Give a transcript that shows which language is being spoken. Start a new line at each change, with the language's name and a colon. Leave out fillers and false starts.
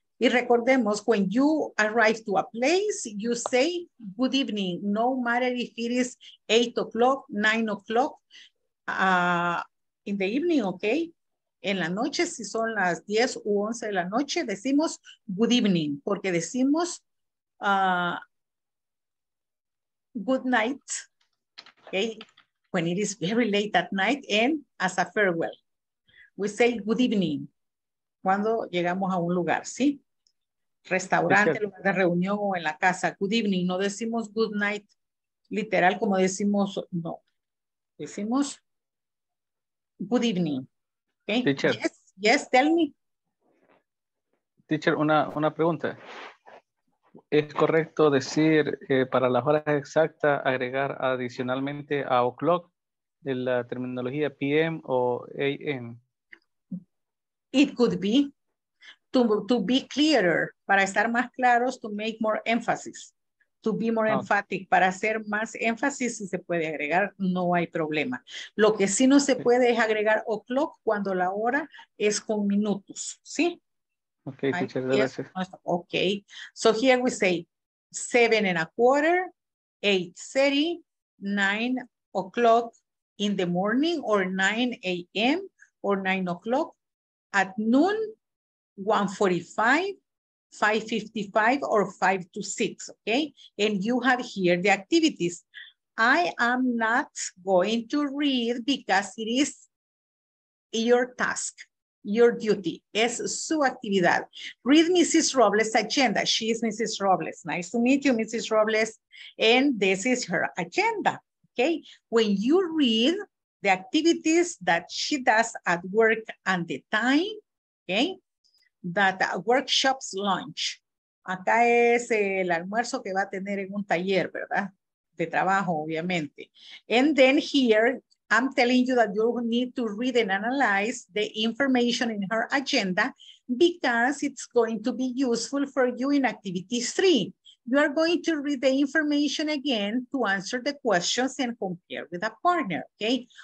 Spanish: Y recordemos,
English: when you arrive to a place, you say good evening, no matter if it is 8:00, 9:00 in the evening, okay?
Spanish: En la noche, si son las 10 u 11 de la noche, decimos good evening, porque decimos good night, okay?
English: When it is very late at night and as a farewell. We say good evening
Spanish: cuando llegamos a un lugar, ¿sí? Restaurante, lugar de reunión o en la casa.
English: Good evening.
Spanish: No decimos good night literal como decimos, no. Decimos good evening. Okay.
English: Teacher. Yes, yes, tell me.
Spanish: Teacher, una pregunta. ¿Es correcto decir para las horas exactas agregar adicionalmente a o'clock de la terminología PM o AM?
English: It could be. To be clearer,
Spanish: para estar más claros,
English: to make more emphasis. to be more emphatic.
Spanish: Para hacer más énfasis, si se puede agregar, no hay problema. Lo que sí no se puede es agregar o'clock cuando la hora es con minutos, ¿sí?
English: Okay, teacher, gracias. Okay, so here we say 7 and a quarter, 8:30, 9 o'clock in the morning, or 9 a.m. or 9 o'clock at noon, 1:45, 5:55, or 5 to 6. Okay, and you have here the activities. I am not going to read because it is your task, your duty.
Spanish: Es su actividad.
English: Read Mrs. Robles' agenda. She is Mrs. Robles. Nice to meet you, Mrs. Robles. And this is her agenda. Okay, when you read the activities that she does at work and the time, okay, that workshops lunch.
Spanish: Acá es el almuerzo que va a tener en un taller, ¿verdad? De trabajo, obviamente.
English: And then here, I'm telling you that you need to read and analyze the information in her agenda because it's going to be useful for you in activities 3. You are going to read the information again to answer the questions and compare with a partner, okay?